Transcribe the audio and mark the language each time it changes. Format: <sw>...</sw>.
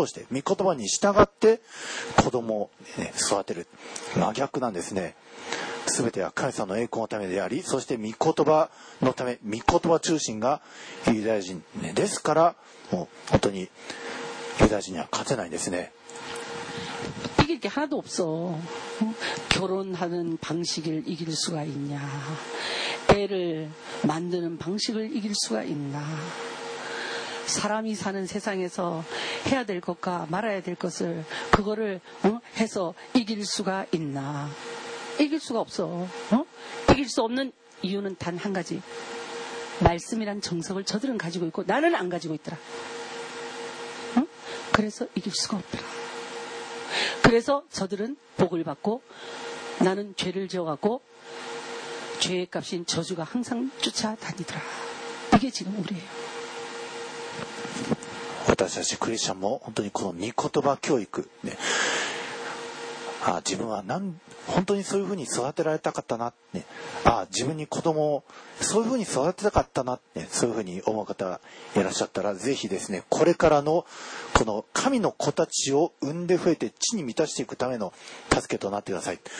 <ja>ですから異邦人の考え方と真逆なんですね異邦人である私たち異邦人である私たち、なんとなく男女、出会って好きになったってそれで、なんとなく一緒に暮らしていたらなんとなく子供ができてでなんとなく育てるってそれが異邦人ですけどもユダ人逆でむしろ子供神様から与えられている子供を御言葉教育するために御言葉を通して御言葉に従って子供を 育てる真逆なんですね全ては神様の栄光のためでありそして御言葉のため御言葉中心がユダヤ人ですからもう本当にユダヤ人には勝てないですね</ja> <ko>이길 게 하나도 없어 결혼하는 방식을 이길 수가 있냐 애를 만드는 방식을 이길 수가 있나 사람이 사는 세상에서 해야 될 것과 말아야 될 것을 그거를 해서 이길 수가 있나 이길 수가 없어 이길 수 없는 이유는 단 한 가지 말씀이란 정석을 저들은 가지고 있고 나는 안 가지고 있더라 그래서 이길 수가 없더라 그래서 저들은 복을 받고 나는 죄를 지어갖고 죄의 값인 저주가 항상 쫓아다니더라 이게 지금 우리예요</ko> <ja>私たちクリスチャンも本当にこの御言葉教育、ね、あ、自分は本当にそういうふうに育てられたかったなって、あ、自分に子供をそういうふうに育てたかったなって、そういうふうに思う方がいらっしゃったら、ぜひですね、これからのこの神の子たちを産んで増えて地に満たしていくための助けとなってください。</ja>